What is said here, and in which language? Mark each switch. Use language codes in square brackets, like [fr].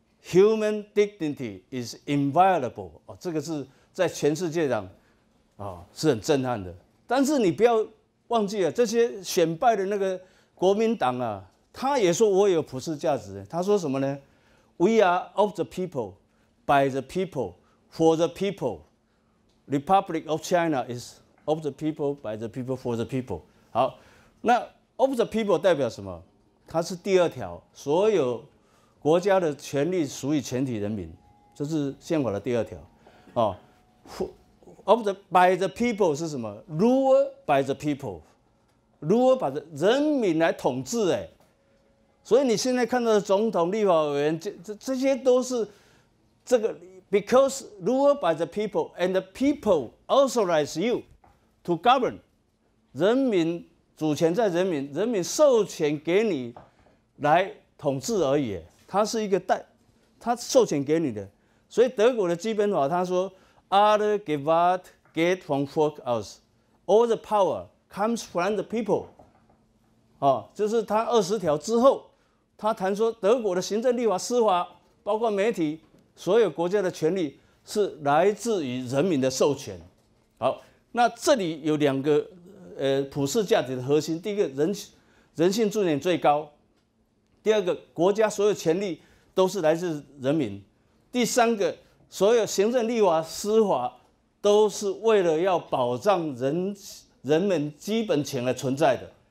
[en] Human dignity is inviolable， [zh] 这个是在全世界上是很震撼的。但是你不要忘记了，这些选败的那个国民党啊，他也说我有普世价值。他说什么呢？ [en] We are of the people, by the people, for the people. Republic of China is of the people, by the people, for the people. [zh] 好，那 of the people 代表什么？它是第二条，所有国家的权利属于全体人民，这是宪法的第二条。 [en] by the people [zh] 是什么 [en] ？Rule by the people， rule by the [zh] 人民来统治。所以你现在看到的总统、立法委员，这些都是这个 ， [en] because rule by the people and the people authorize you to govern， [zh] 人民主权在人民，人民授权给你来统治而已。它是一个代，它授权给你的。所以德国的基本法他说 ， [de] Alle Gewalt geht vom Volk aus， [en] all the power comes from the people。 [zh] 哦，就是他二十条之后，他谈说德国的行政、立法、司法，包括媒体，所有国家的权利是来自于人民的授权。好，那这里有两个普世价值的核心，第一个人性尊严最高，第二个国家所有权利都是来自人民，第三个所有行政、立法、司法都是为了要保障人们基本权的存在的。